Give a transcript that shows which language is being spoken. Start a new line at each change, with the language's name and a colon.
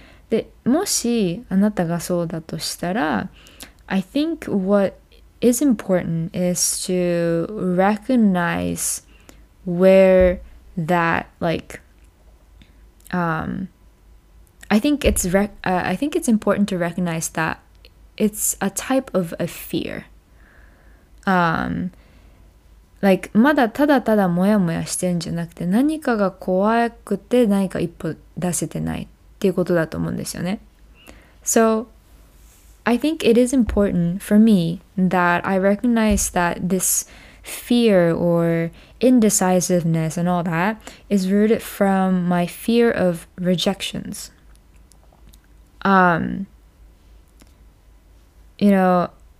Japanese: で、もしあなたがそうだとしたら、
English: I think what is important is to recognize where that like I think it's important to recognize that it's a type of a fear.
Japanese: Like まだただただモヤモヤしてんじゃなくて、何かが怖くて何か一歩出せてないっていうことだと思うんですよね。
English: So I think it is important for me that I recognize that this fear or indecisiveness and all that is rooted from my fear of rejections. You know,